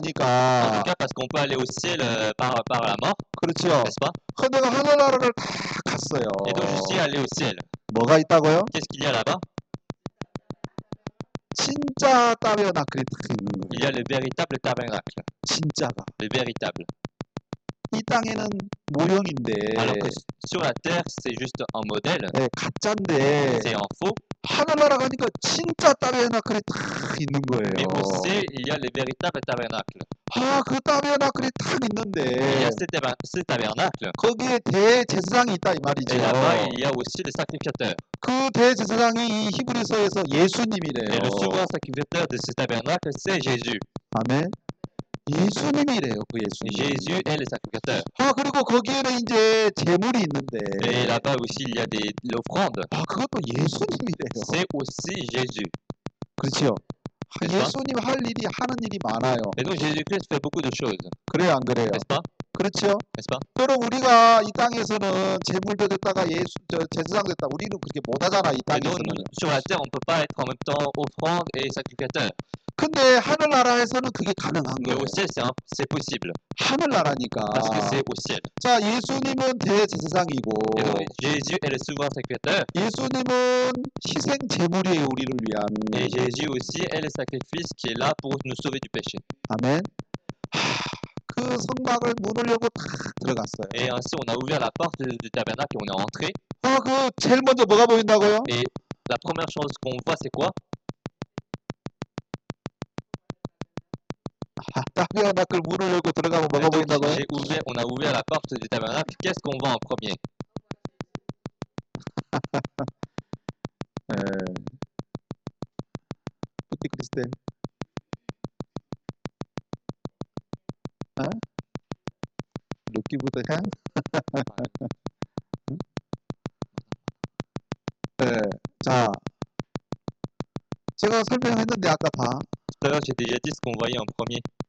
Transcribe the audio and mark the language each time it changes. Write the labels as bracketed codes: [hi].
[fr] En tout cas, parce qu'on peut aller au ciel par la mort. [ko] 그렇죠. [fr] N'est-ce pas? [ko] 내가 하늘나라를 다 갔어요. [fr] Et donc, je suis allé au ciel. [ko] 뭐가 있다고요? [fr] Qu'est-ce qu'il y a là-bas? [ko] 진짜 타베르나클이 있는 거예요. [fr] Il y a le véritable tabernacle. [ko] 진짜가. [fr] Le véritable. [ko] 이 땅에는 모형인데. [fr] Alors que sur la terre, c'est juste un modèle. [ko] 네, 가짜인데. [fr] C'est un faux. [ko] 하늘나라 가니까 진짜 타베르나클이 딱 있는 거예요. [fr] Mais au ciel, il y a le véritable tabernacle. [ko] 아, 그 타베르나클이 딱 있는데. [fr] Il y a ce tabernacle. [ko] 거기에 대제사장이 있다 이 말이죠. [fr] Et là-bas, il y a aussi le sacrificateur. [ko] 그 대제사장이 히브리서에서 예수님이래요. [fr] Et le souverain sacrificateur de ce tabernacle, c'est Jésus. [ko] 아멘. 예수님이래요, 그 예수님. [fr] Jésus est le sacrificateur. [ko] 아, 그리고 거기에는 이제 제물이 있는데. [fr] Et là-bas aussi, il y a des offrandes. [ko] 아, 그것도 예수님이래요. [fr] C'est aussi Jésus. [ko] 그렇죠. 아, 예수님 할 일이 하는 일이 많아요. [fr] Et donc Jésus-Christ fait beaucoup de choses. [ko] 그래요, 안 그래요? [fr] N'est-ce pas? [ko] 그렇죠. [fr] N'est-ce pas? [ko] 그럼 우리가 이 땅에서는 제물도 됐다가 예수 제사장 됐다 우리는 그렇게 못 하잖아, 이 땅에서는. [fr] Et donc, sur la terre, on peut pas être en même temps offrande et sacrificateur. [ko] 근데 하늘나라에서는 그게 가능한 거예요. [fr] C'est possible. [ko] 하늘나라니까. [fr] Parce que c'est au ciel. [ko] 자, 예수님은 대제사장이고. [fr] Jésus est le souverain sacrificateur. [ko] 예수님은 희생 제물이에요, 우리를 위한. [fr] Et Jésus aussi est le sacrifice qui est là pour nous sauver du péché. [ko] 아멘. 그 성막을 문을 열고 들어갔어요. [fr] Et ainsi on a ouvert la porte du tabernacle et on est entré. [ko] 아, 그 제일 먼저 뭐가 보인다고요? [fr] Et la première chose qu'on voit c'est quoi? [ko] 타베르나클 문을 열고 들어가면 뭐가 보인다고? [fr] J'ai ouvert, on a ouvert la porte du tabernacle. Qu'est-ce qu'on voit en premier? 푸티 크리스텔. 어? 루키부터 향? [ko] 에, 자, 제가 설명했는데 아까 봐. [fr] Tout à l'heure, j'ai déjà dit ce qu'on voyait en premier.